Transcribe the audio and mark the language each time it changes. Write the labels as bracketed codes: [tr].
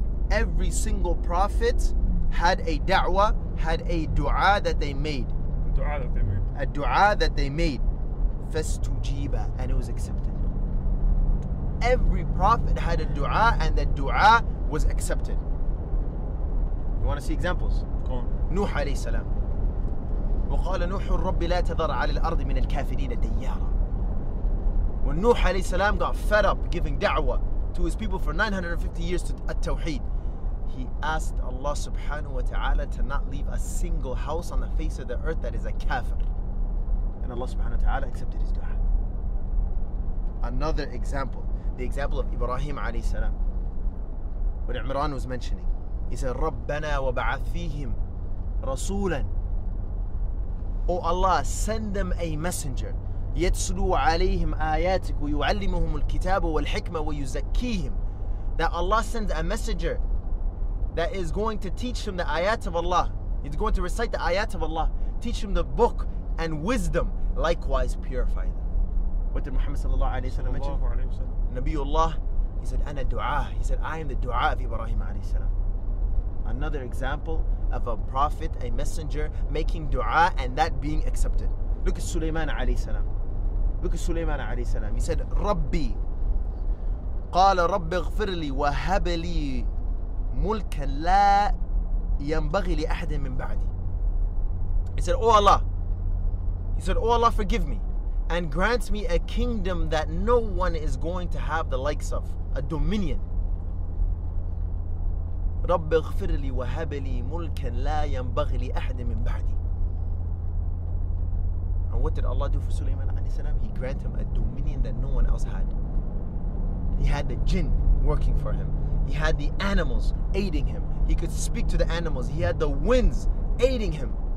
[en] Every single prophet had a da'wah, had a du'a that they made. A du'a that they made. Fastujiba, and it was accepted. Every prophet had a du'a, and that du'a was accepted. You want to see examples? Nuh alayhi salam. [ar] وقال نوح الرب لا تذر على الأرض من الكافرين ديارا. [en] When Nuh alayhi salam got fed up giving da'wah to his people for 950 years to at-tawheed, he asked Allah subhanahu wa ta'ala to not leave a single house on the face of the earth that is a kafir. And Allah subhanahu wa ta'ala accepted his du'a. Another example, the example of Ibrahim alayhi salam. What Imran was mentioning, he said, [ar] رَبَّنَا وَبَعَثْ فِيهِمْ رَسُولًا. [en] Oh Allah, send them a messenger. [ar] يتسلو عليهم آياتك ويعلمهم الكتاب والحكمة ويزكيهم. [en] That Allah sends a messenger that is going to teach them the ayat of Allah. It's going to recite the ayat of Allah. Teach them the book and wisdom. Likewise, purify them. What did Muhammad sallallahu alayhi wa sallam mention? Nabiullah, he said, [ar] أنا دعاء. [en] He said, I am the دعاء of Ibrahim alayhi wa sallam. Another example of a prophet, a messenger, making dua and that being accepted. Look at Sulaiman alayhi salam. Look at Sulaiman alayhi salam. He said, Rabbi, [ar] قال رب اغفر لي وهب لي ملكا لا ينبغي لأحد من بعدي. [en] He said, Oh Allah. He said, Oh Allah, forgive me and grant me a kingdom that no one is going to have the likes of, a dominion. [ar] رب اغفر لي وهب لي ملكا لا ينبغي لأحد من بعدي. [en] And what did Allah do for Sulaiman alayhi salam? He granted him a dominion that no one else had. He had the jinn working for him. He had the animals aiding him. He could speak to the animals. He had the winds aiding him.